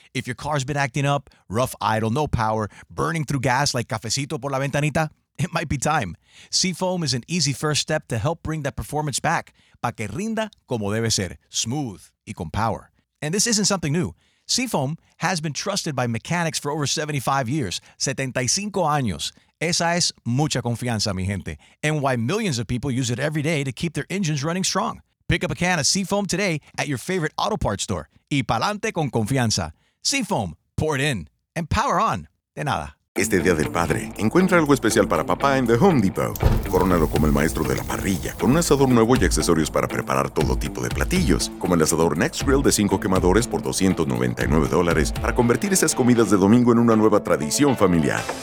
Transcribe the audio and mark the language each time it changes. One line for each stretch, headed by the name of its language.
English: If your car's been acting up, rough idle, no power, burning through gas like
Spanish: cafecito por la ventanita,
English: it might be time. Seafoam is an easy first step to help bring that performance back.
Spanish: Pa' que rinda como debe ser, smooth y con power.
English: And this isn't something new. Seafoam has been trusted by mechanics for over 75 years.
Spanish: 75 años. Esa es mucha confianza, mi gente.
English: And why millions of people use it every day to keep their engines running strong. Pick up a can of Seafoam today at your favorite auto parts store.
Spanish: Y pa'lante con confianza. Seafoam.
English: Pour it in. And power on.
Spanish: De nada. Este Día del Padre, encuentra algo especial para papá en The Home Depot. Córnalo como el maestro de la parrilla, con un asador nuevo y accesorios para preparar todo tipo de platillos, como el asador Next Grill de 5 quemadores por $299 para convertir esas comidas de domingo en una nueva tradición familiar.